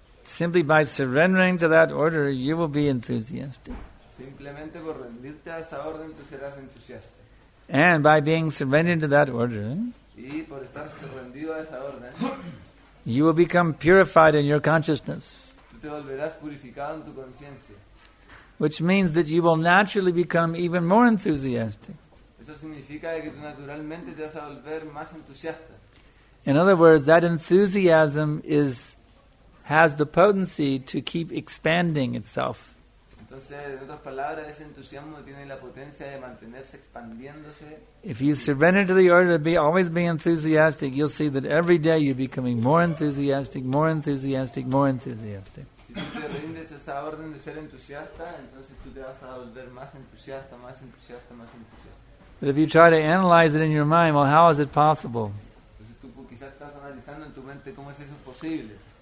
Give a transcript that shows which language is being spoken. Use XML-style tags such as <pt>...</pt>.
<en>simply by surrendering to that order, you will be enthusiastic.</en> <es>Simplemente por rendirte a esa orden, tú serás entusiasta.</es> <en>And by being surrendered to that order,</en> <es>y por estar surrendido a esa orden,</es> <en>you will become purified in your consciousness.</en> <es>Tú te volverás purificado en tu conciencia.</es> <en>Which means that you will naturally become even more enthusiastic.</en> <es>Eso significa que tú naturalmente te vas a volver más entusiasta.</es> <en>In other words, that enthusiasm has the potency to keep expanding itself.</en> <es>Entonces, en otras palabras, ese entusiasmo tiene la potencia de mantenerse expandiéndose.</es> <en>If you surrender to the order to always be enthusiastic, you'll see that every day you're becoming more enthusiastic, more enthusiastic, more enthusiastic.</en> <es>Si tú te rindes a esa orden de ser entusiasta, entonces tú te vas a volver más entusiasta, más entusiasta, más entusiasta.</es> <en>But if you try to analyze it in your mind, well, how is it possible?</en> <es>Entonces tú quizás estás analizando en tu mente cómo es eso posible.</es>